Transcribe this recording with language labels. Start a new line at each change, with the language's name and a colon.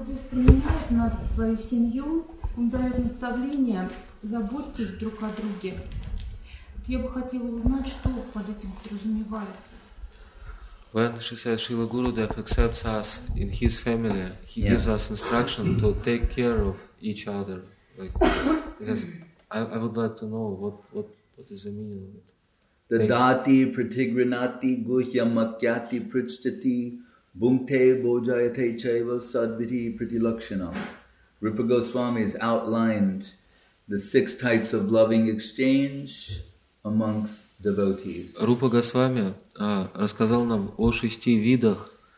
Russian: Принимает нас в свою семью, он дает наставление, заботьтесь друг о друге. Я бы хотела узнать, что под этим подразумевается.
English: When she says Srila Gurudev accepts us in his family, he yeah. gives us instruction to take care of each other. Like, he says, I would like to know what is the meaning of it.
Sanskrit: Dadati pratigrinati guhyam makyati pritstati bhumte bojayate chaiva sadbhiti pratilakshanam.
English: Rupa Goswami has outlined the six types of loving exchange amongst devotees.
Russian: Rupa Goswami рассказал нам о шести видах.